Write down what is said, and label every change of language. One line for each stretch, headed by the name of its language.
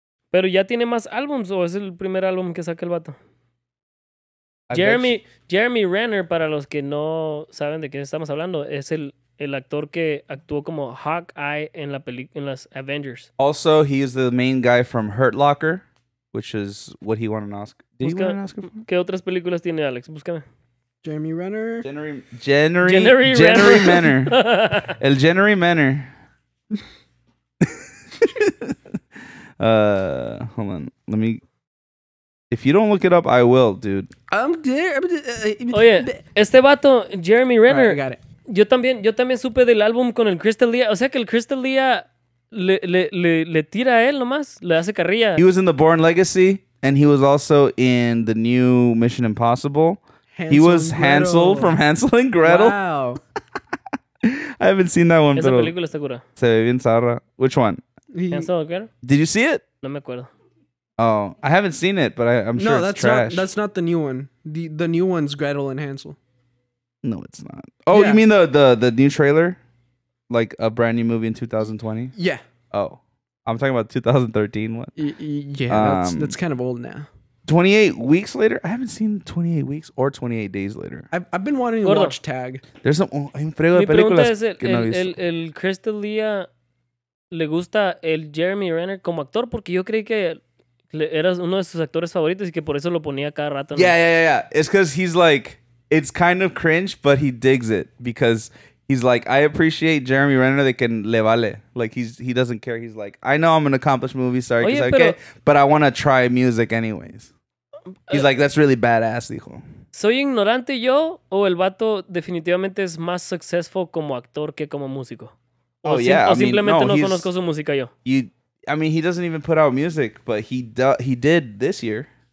Spanish: ¿Pero ya tiene más álbums o es el primer álbum que saca el vato? Jeremy Renner, para los que no saben de qué estamos hablando, es el actor que actuó como Hawkeye en la en las Avengers.
English: Also, he is the main guy from Hurt Locker, which is what he won an Oscar. Did he win an Oscar for?
Spanish: ¿Qué otras películas tiene Alex? Búscame. Jeremy Renner. Jeremy Renner. El Jeremy Renner.
English: hold on. Let me... If you don't look it up, I will, dude. I'm there.
Spanish: Oye, este vato, Jeremy Renner...
English: All right, I got it.
Spanish: Yo también supe del álbum con el Chris D'Elia. O sea que el Chris D'Elia le tira a él nomás. Le hace carrilla.
English: He was in The Bourne Legacy. And he was also in the new Mission Impossible. He was Hansel from Hansel and Gretel. Wow. I haven't seen that one.
Spanish: Esa película está cura. Se ve bien zarra.
English: Which one? Hansel and Gretel. Did you see it?
Spanish: No me acuerdo.
English: Oh, I haven't seen it, but I'm sure it's trash. No, that's not the new one. The new one's Gretel and Hansel. No, it's not. Oh, yeah. You mean the new trailer? Like a brand new movie in 2020? Yeah. Oh. I'm talking about 2013 one. Yeah, that's kind of old now. 28 weeks later? I haven't seen 28 weeks or 28 days later. I've been wanting to watch Tag. There's some... Oh,
Spanish: un frego de películas. Mi pregunta es el Chris D'Elia le gusta el Jeremy Renner como actor porque yo creí que era uno de sus actores favoritos y que por eso lo ponía cada rato.
English: Yeah. It's because he's like... It's kind of cringe, but he digs it because he's like, I appreciate Jeremy Renner, they can
Spanish: le vale.
English: Like, he doesn't care. He's like, I know I'm an accomplished movie star, but I want to try music anyways. He's like, that's really badass,
Spanish: dijo. ¿Soy ignorante yo o el vato definitivamente es más successful como actor que como músico? Conozco su música yo.
English: He doesn't even put out music, but he did this year.